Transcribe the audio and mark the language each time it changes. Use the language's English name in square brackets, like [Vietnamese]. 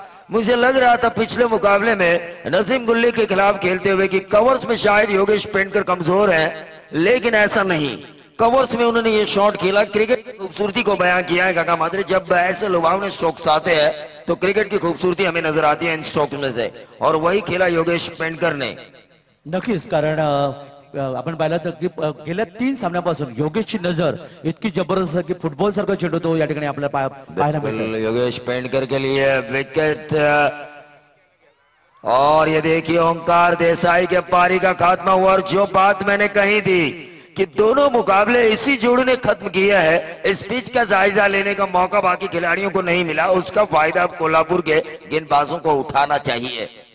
[Hindi] मुझे लग रहा था पिछले मुकाबले में नसीम गुल्ली के खिलाफ खेलते हुए कि कवर्स में शायद योगेश पेंडकर कमजोर है, लेकिन ऐसा नहीं, कवर्स में उन्होंने ये शॉट खेला। क्रिकेट की खूबसूरती को बयां किया है काका मात्रे, जब ऐसे लुभावने स्ट्रोक्स आते हैं तो क्रिकेट की खूबसूरती हमें नजर आती है इन स्ट्रोक्स में से, और वही खेला योगेश पेंडकर ने [Marathi] नक्कीच। कारण आपण पाहिलं तर गेल्या तीन सामन्यापासून योगेशची नजर इतकी जबरदस्त की फुटबॉल सारखा छेड होतो या ठिकाणी आपल्याला पाहायला मिळतं। [Hindi] योगेश पेंडकर के लिए विकेट, और ये देखिए ओंकार देसाई के पारी का खात्मा हुआ। और जो बात मैंने कही थी कि दोनों मुकाबले इसी जोड़ ने खत्म किया है, इस पिच का जायजा लेने का मौका बाकी खिलाड़ियों को नहीं मिला, उसका फायदा कोल्हापुर के गेंदबाजों को उठाना चाहिए।